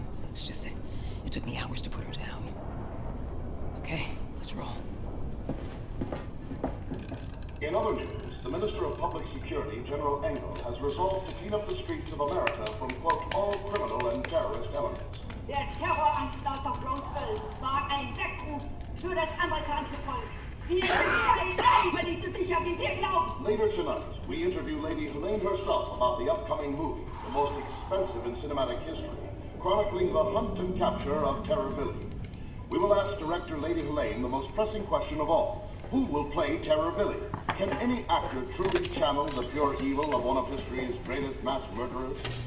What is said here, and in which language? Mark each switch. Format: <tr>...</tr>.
<en>It's just that it took me hours to put her down. Okay, let's roll. In other news, the Minister of Public Security, General Engel, has resolved to clean up the streets of America from, quote, all criminal and terrorist elements.</en> <de>Der Terroranschlag auf Roseville war ein Weckruf für das amerikanische Volk. Wir sind über nicht so sicher, wie wir glauben.</de> <en>Later tonight, we interview Lady Helene herself about the upcoming movie, the most expensive in cinematic history, chronicling the hunt and capture of Terror Billy. We will ask director Lady Helene the most pressing question of all. Who will play Terror Billy? Can any actor truly channel the pure evil of one of history's greatest mass murderers?</en>